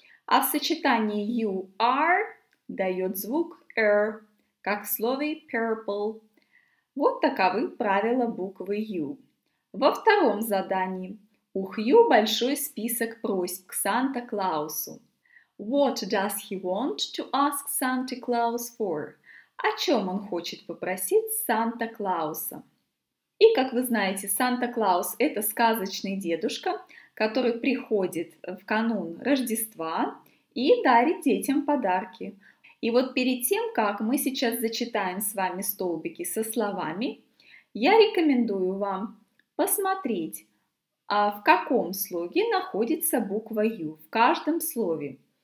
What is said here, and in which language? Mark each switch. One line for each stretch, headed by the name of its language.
Russian: А в сочетании
English: you are
Russian: дает звук r, как в слове purple. Вот таковы правила буквы U. Во втором задании у Хью большой список просьб к Санта-Клаусу.
English: What does he want to ask Santa Claus for?
Russian: О чем он хочет попросить Санта-Клауса? И, как вы знаете, Санта-Клаус – это сказочный дедушка, который приходит в канун Рождества и дарит детям подарки. И вот перед тем, как мы сейчас зачитаем с вами столбики со словами, я рекомендую вам посмотреть, в каком слоге находится буква «ю» в каждом слове.